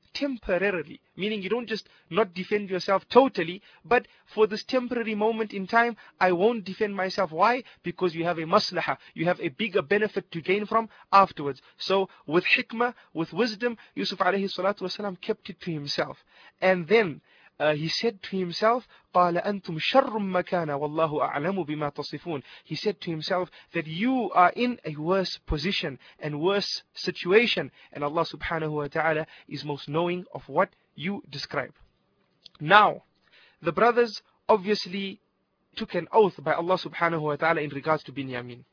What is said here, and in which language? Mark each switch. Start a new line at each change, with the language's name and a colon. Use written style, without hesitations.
English: temporarily, meaning you don't just not defend yourself totally, but for this temporary moment in time, I won't defend myself. Why? Because you have a maslaha, you have a bigger benefit to gain from afterwards. So with hikmah, with wisdom, Yusuf alayhi salatu wasalam kept it to himself. And then he said to himself,
Arabic: قَالَ أَنْتُمْ شَرٌّ مَكَانًا وَاللَّهُ أَعْلَمُ بِمَا تَصِفُونَ.
English: He said to himself that you are in a worse position and worse situation, and Allah subhanahu wa ta'ala is most knowing of what you describe. Now, the brothers obviously took an oath by Allah subhanahu wa ta'ala in regards to Binyamin.